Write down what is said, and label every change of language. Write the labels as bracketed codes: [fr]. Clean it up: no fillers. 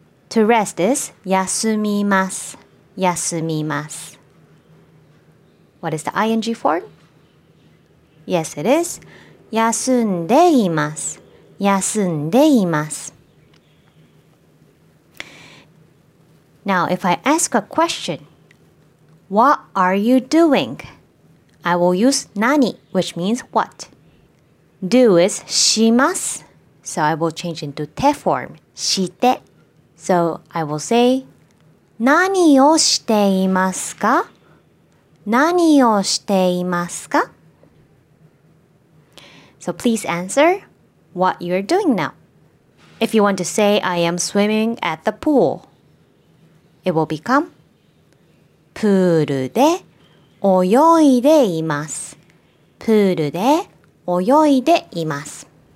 [en] To rest is [ja] 休みます休みます [en] What is the ing form? Yes, it is [ja] 休んでいます休んでいます [en] Now, if I ask a question, what are you doing? I will use 何, which means what. Do is します, so I will change into て form, [ja] して. [en] So I will say, [ja] 何をしていますか?何をしていますか? [en] So please answer what you're doing now. If you want to say, I am swimming at the pool, it will become [ja] プールで泳いでいます。プールで泳いでいます。